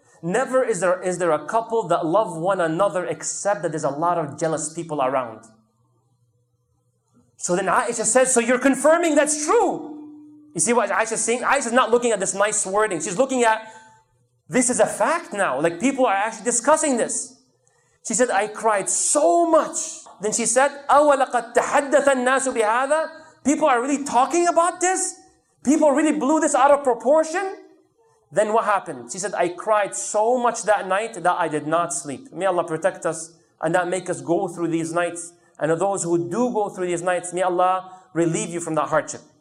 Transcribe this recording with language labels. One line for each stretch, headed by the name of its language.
English: Never is there a couple that love one another except that there's a lot of jealous people around. So then Aisha says, so you're confirming that's true. You see what Aisha's saying? Aisha's not looking at this nice wording. She's looking at, this is a fact now. Like people are actually discussing this. She said, I cried so much. Then she said,
Arabic: أَوَلَقَدْ تَحَدَّثَ النَّاسُ بِهَذَا?
English: People are really talking about this? People really blew this out of proportion? Then what happened? She said, I cried so much that night that I did not sleep. May Allah protect us and not make us go through these nights. And those who do go through these nights, may Allah relieve you from that hardship.